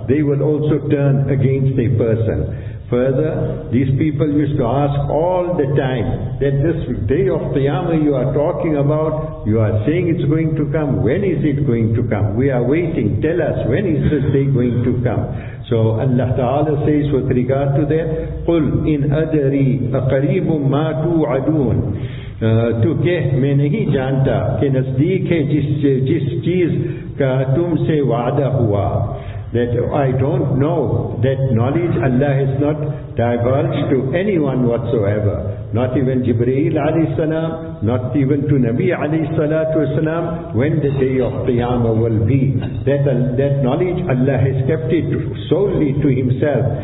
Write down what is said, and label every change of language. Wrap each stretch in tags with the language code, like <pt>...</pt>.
<en>They will also turn against a person. Further, these people used to ask all the time, that this day of Qiyamah you are talking about, you are saying it's going to come, when is it going to come? We are waiting, tell us, when is this day going to come? So Allah Ta'ala says with regard to that,</en> <ar>قُلْ إِنْ أَدْرِي أَقَرِيبٌ مَا تُوْعَدُونَ</ar> <ur>تو کہ میں نہیں جانتا کہ نزدیک ہے جس چیز کا تم سے وعدہ ہوا.</ur> <en>That I don't know, that knowledge Allah has not divulged to anyone whatsoever. Not even Jibreel alayhi salam, not even to Nabi alayhi salatu wasalam, when the day of Qiyamah will be. That knowledge Allah has kept it solely to himself.</en>